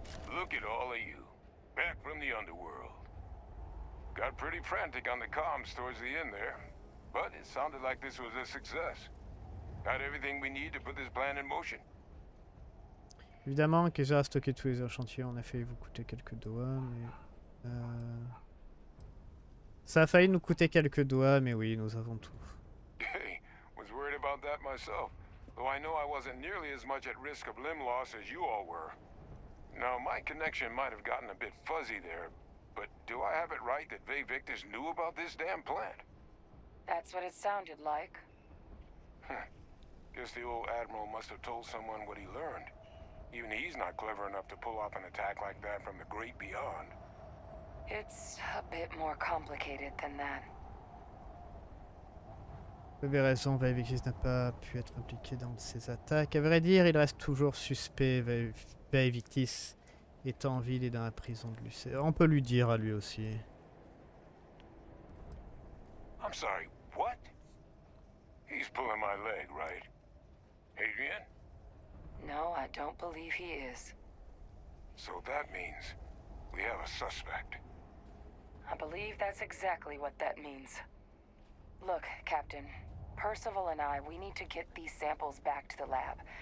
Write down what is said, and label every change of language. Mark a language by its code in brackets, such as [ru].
[en] Look at all of you, back from the underworld. Got pretty frantic on the comms towards the end there, but it sounded like this was a success. Got everything we need to put this plan in motion. [fr] Évidemment, Kesa a stocké tous les échantillons, on a failli vous coûter quelques doigts, mais... Ça a failli nous coûter quelques doigts, mais oui, nous avons tout. [en] Hey, was worried about that myself. Though I know I wasn't nearly as much at risk of limb loss as you all were. Now, my connection might have gotten a bit fuzzy there, but do I have it right that Vae Victus knew about this damn plant? That's what it sounded like. Guess the old Admiral must have told someone what he learned. Even he's not clever enough to pull off an attack like that from the great beyond. It's a bit more complicated than that. [fr] Vous avez raison, Vae Victus n'a pas pu être impliqué dans ces attaques. À vrai dire, il reste toujours suspect. Vae Victus est en ville et dans la prison de Lucé. On peut lui dire à lui aussi. [en] I'm sorry, what? He's pulling my leg, right? Adrian? No, I don't believe he is. So that means we have a suspect. I believe that's exactly what that means. Look, Captain, Percival and I, we need to get these samples back to the lab.